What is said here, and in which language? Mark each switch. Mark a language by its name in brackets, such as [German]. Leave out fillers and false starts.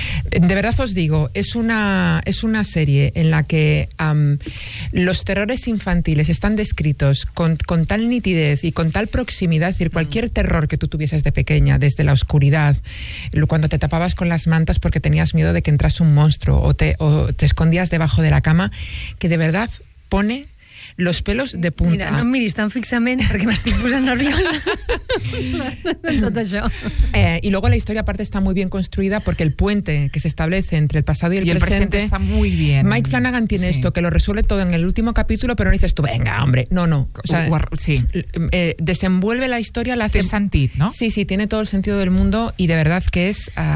[Spanish] De verdad os digo, es una serie en la que los terrores infantiles están descritos con tal nitidez y con tal proximidad, es decir, cualquier terror que tú tuvieses de pequeña, desde la oscuridad, cuando te tapabas con las mantas porque tenías miedo de que entrase un monstruo o te escondías debajo de la cama, que de verdad pone... los pelos de punta. [Catalan] Mira, no em miris tan fixament perquè m'estic posant nerviosa tot això. [Spanish] Y luego la historia aparte está muy bien construida porque el puente que se establece entre el pasado y el presente está muy bien. Mike Flanagan tiene sí. esto, que lo resuelve todo en el último capítulo, pero no dices tú, venga, hombre, no. O sea, sí. Desenvuelve la historia, la hace... [Catalan] Té sentit, ¿no? [Spanish] Sí, tiene todo el sentido del mundo y de verdad que es...